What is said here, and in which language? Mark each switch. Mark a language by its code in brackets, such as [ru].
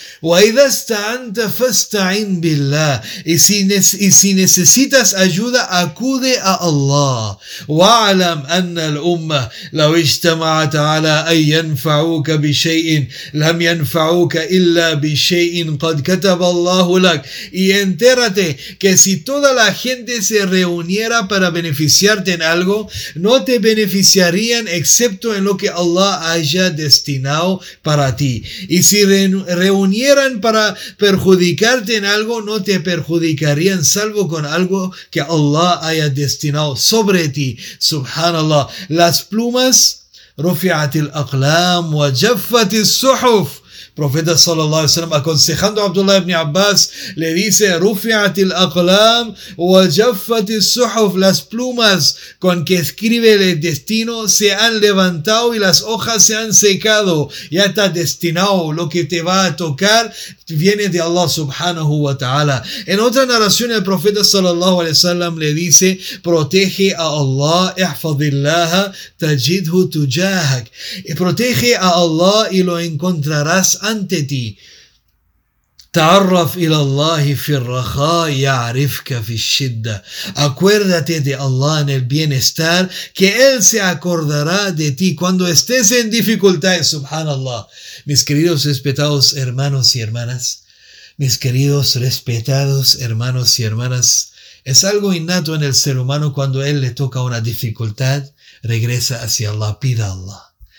[ar] وإذا استعنت فاستعن بالله. [es] Y si necesitas ayuda, acude a Allah. [ar] واعلم أن الأمة لو اجتمعت على أن ينفعوك بشيء لم ينفعوك إلا بشيء قد كتب الله لك. [es] Y entérate que si toda la gente se reuniera para beneficiarte en algo, no te beneficiarían excepto en lo que Allah haya destinado para ti. Y si reunieran para perjudicarte en algo, no te perjudicarían salvo con algo que Allah haya destinado sobre ti. [ar] Subhanallah. [es] Las plumas, [ar] rufi'at al-aqlam wa jaffat al-suhuf. [es] Profeta sallallahu alaihi wasallam aconsejando a Abdullah ibn Abbas le dice: [ar] rufi'at al-aqlam wa jaffat al-suhuf. [es] Las plumas con que escribe el destino se han levantado y las hojas se han secado. Ya está destinado lo que te va a tocar, viene de Allah subhanahu wa ta'ala. En otra narración el profeta sallallahu alaihi wasallam le dice: protege a Allah, [ar] ihfadillaha tajidhu tujahak. [es] Y protege a Allah y lo encontrarás ante ti. [ar] تعرف إلى الله في الرخاء يعرفك في الشدة. [es] Acuérdate de Allah en el bienestar, que Él se acordará de ti cuando estés en dificultades. Subhanallah. Mis queridos respetados hermanos y hermanas, mis queridos respetados hermanos y hermanas, es algo innato en el ser humano cuando él le toca una dificultad, regresa hacia Allah, pida a Allah.